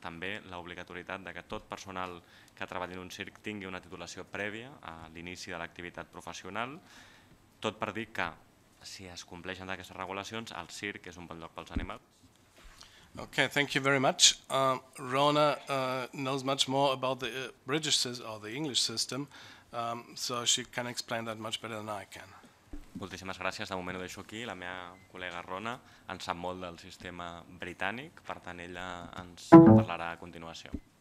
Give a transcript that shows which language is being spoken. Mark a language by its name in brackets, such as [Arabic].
[Catalan] També l'obligatorietat que tot personal que treballi en un circ tingui una titulació prèvia a l'inici de l'activitat professional. Tot per dir que, si es compleixen aquestes regulacions, el circ és un bon lloc pels animals. [English] Okay, thank you very much. Rona knows much more about the British or the English system, so she can explain that much better than I can. [Catalan] Moltíssimes gràcies. De moment ho deixo aquí. La meva col·lega Rona en sap molt del sistema britànic, per tant ella ens parlarà a continuació.